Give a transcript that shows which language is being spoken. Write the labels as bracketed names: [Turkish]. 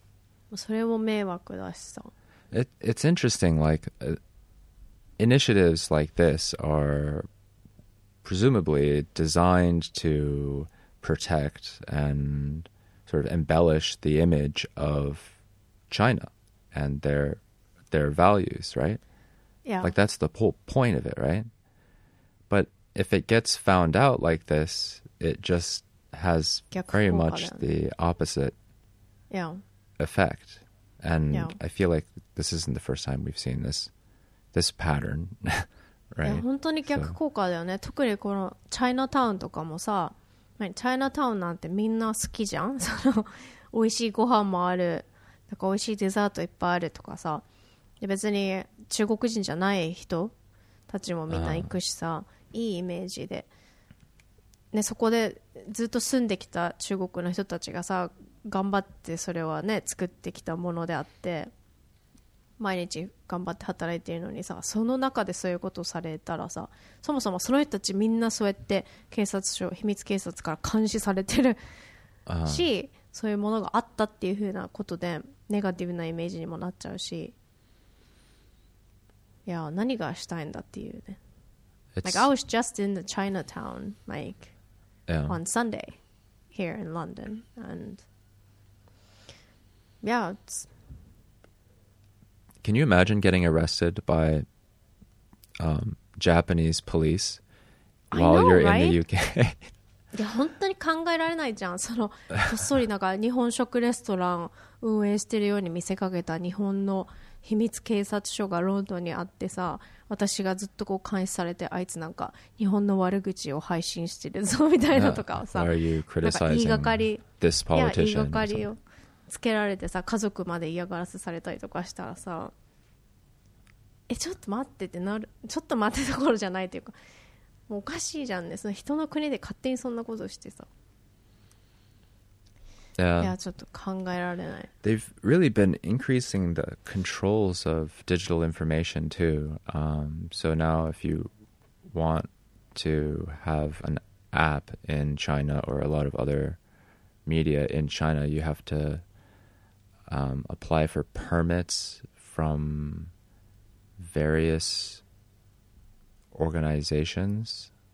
[Japanese] いや、そうやってこういうことを政府がすることによって普通に海外で暮らしてる中国人の人たちも迷惑被るわけじゃん。もしかしてこの人もそうなのかなって。普通に不動産屋やってる、普通にレストランやってる人がさ、ここももしかしてなんかそういう秘密警察なのかなみたいな。 [English] Paranoia about this. [Japanese] って思っちゃうことがあるとしたら、それも迷惑だしさ。It's [English] interesting, like, initiatives like this are presumably designed to protect and sort of embellish the image of China and their values, right? Yeah. Like, that's the whole point of it, right? But if it gets found out like this, it just has very much the opposite effect. And I feel like this isn't the first time we've seen this pattern. Right. [Japanese] 本当に逆効果だよね。特にこのチャイナタウンとかもさ、チャイナタウンなんてみんな好きじゃん。その美味しいご飯もある、なんか美味しいデザートいっぱいあるとかさ、で別に中国人じゃない人たちもみんな行くしさ、いいイメージで、ね、そこでずっと住んできた中国の人たちがさ、頑張ってそれはね作ってきたものであって。毎日頑張って働いているのにさ、その中でそういうことをされたらさ、そもそもその人たちみんなそうやって警察署、秘密警察から監視されてるし、そういうものがあったっていうふうなことでネガティブなイメージにもなっちゃうし、いや何がしたいんだっていうね。 [English] Like, I was just in the Chinatown, like, on Sunday here in London, and yeah, it's Can you imagine getting arrested by Japanese police while you're in the UK? [Japanese] いや本当に考えられないじゃん。そのこっそりなんか日本食レストラン運営してるように見せかけた日本の秘密警察署がロンドンにあってさ、私がずっとこう監視されて、あいつなんか日本の悪口を配信してるぞみたいなとかさ、 [English] Are you criticizing [Japanese] なんか言いがかり、 [English] this politician? [Japanese] いや言いがかりよ。つけられてさ、家族まで嫌がらせされたりとかしたらさ、え、ちょっと待ってってなる、ちょっと待ってところじゃないというか、もうおかしいじゃんね、その人の国で勝手にそんなことしてさ、 [English] yeah. [Japanese] いやちょっと考えられない。 [English] They've really been increasing the controls of digital information too、so now if you want to have an app in China or a lot of other media in China, you have toapply for permits from various organizations.